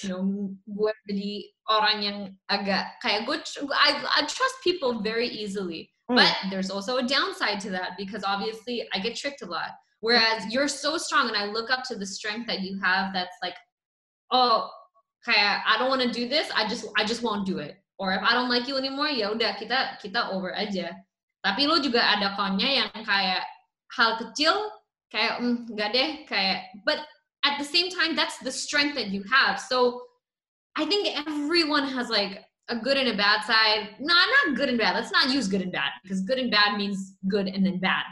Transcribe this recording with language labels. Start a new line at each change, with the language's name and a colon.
English: you know,
Indonesian: gue jadi orang yang agak kayak gue,
English: I trust people very easily, but there's also a downside to that because obviously I get tricked a lot. Whereas you're so strong and I look up to the strength that you have. That's like, oh,
Indonesian: kayak
English: I don't want to do this. I just won't do it. Or if I don't like you anymore,
Indonesian: ya udah kita over aja. Tapi lo juga ada konnya yang kayak hal kecil. Kayak, gak deh, kayak,
English: but at the same time, that's the strength that you have. So I think everyone has like a good and a bad side. No, not good and bad. Let's not use good and bad, because good and bad means good and then bad.